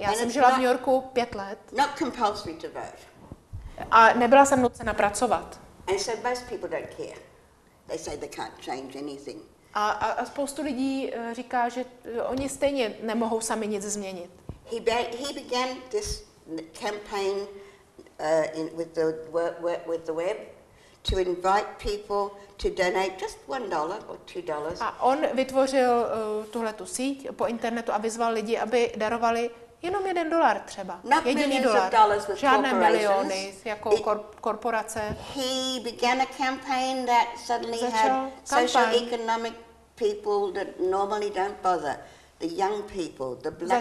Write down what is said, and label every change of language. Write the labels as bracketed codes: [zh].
[cs] Já jsem žila v New Yorku 5 let. [en] Not compulsory to vote. [cs] A nebyla jsem nucena pracovat. [en] And so most people don't care. They say they can't change anything. [cs] A spoustu lidí říká, že oni stejně nemohou sami nic změnit. [en] He began this campaign with the web to invite people to donate just $1 or $2. [cs] A on vytvořil tuhletu síť po internetu a vyzval lidi, aby darovali jenom $1 třeba, jediný dolar, žádné miliony jako korporace. [en] He began a campaign that suddenly had socio-economic people that normally don't bother. The young people, the black